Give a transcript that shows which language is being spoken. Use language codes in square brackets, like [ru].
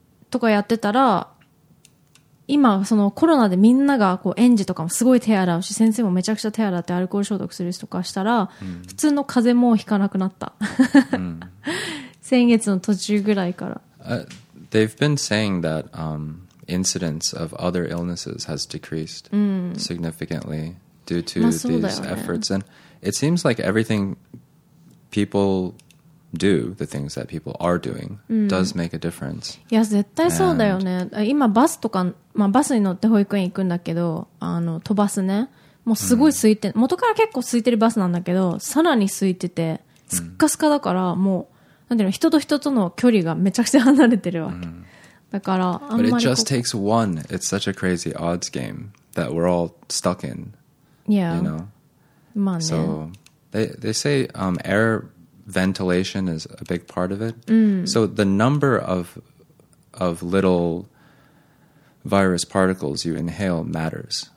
[ja] とかやってたら今そのコロナでみんながこう園児とかもすごい手洗うし先生もめちゃくちゃ手洗ってアルコール消毒するとかしたら、うん、普通の風邪もひかなくなった、うん、先月の途中ぐらいから [en] They've been saying that、incidence of other illnesses has decreased、 [ja] うん、 [en] significantly due to、 [ja] まあね、 [en] these efforts and it seems like everything people do the things that people are doing、うん、does make a difference [ja] いや絶対そうだよね and... 今バスとかまあ、バスに乗って保育園行くんだけど、あの、都バスね。もうすごい空いて、うん、元から結構空いてるバスなんだけど、さらに空いてて、すっかすかだから、うん、もう、なんていうの、人と人との距離がめちゃくちゃ離れてるわけ。うん、だから、あんまりここ。 [en] But it just takes one. It's such a crazy odds game that we're all stuck in. Yeah. You know? [ja] まあね。 [en] So, they say, air ventilation is a big part of it.、 [ja] うん、 [en] so, the number of little,virus particles you inhale matters.